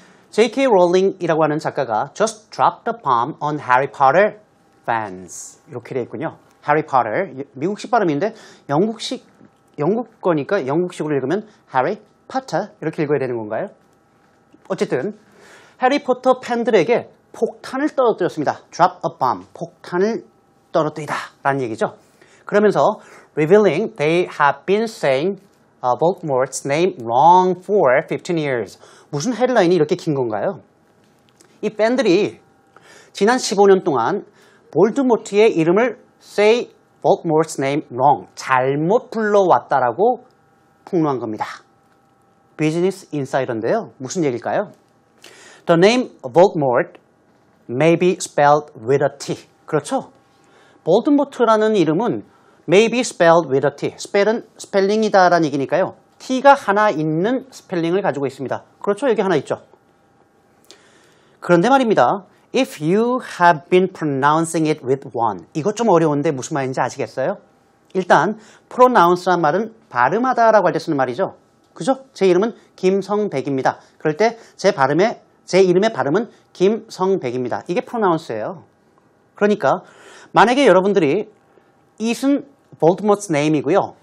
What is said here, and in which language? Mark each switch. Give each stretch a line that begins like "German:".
Korean: J.K. 롤링이라고 하는 작가가
English: Just dropped a bomb on Harry Potter fans.
Korean: 이렇게 되어 있군요.
English: Harry Potter.
Korean: 미국식 발음인데 영국 거니까 영국식으로 읽으면 Harry Potter 이렇게 읽어야 되는 건가요? 어쨌든 해리포터 팬들에게 폭탄을 떨어뜨렸습니다.
English: Drop a bomb.
Korean: 폭탄을 떨어뜨리다. 라는 얘기죠. 그러면서
English: Revealing they have been saying Voldemort's name wrong for 15 years.
Korean: 무슨 헤드라인이 이렇게 긴 건가요? 이 팬들이 지난 15년 동안 볼드모트의 이름을
English: say Voldemort's name wrong.
Korean: 잘못 불러왔다라고 폭로한 겁니다. 비즈니스 인사이더인데요. 무슨 얘기일까요?
English: The name Voldemort may be spelled with a T.
Korean: 그렇죠? 볼드모트라는 이름은
English: may be spelled with a T.
Korean: spell은 spelling이다라는 얘기니까요. T가 하나 있는 스펠링을 가지고 있습니다. 그렇죠? 여기 하나 있죠. 그런데 말입니다.
English: If you have been pronouncing it with one.
Korean: 이것 좀 어려운데 무슨 말인지 아시겠어요? 일단 pronounce란 말은 발음하다라고 할 때 쓰는 말이죠. 그죠? 제 이름은 김성백입니다. 그럴 때 제 이름의 발음은 김성백입니다. 이게 pronounce예요. 그러니까 만약에 여러분들이 it은 Voldemort's name이고요.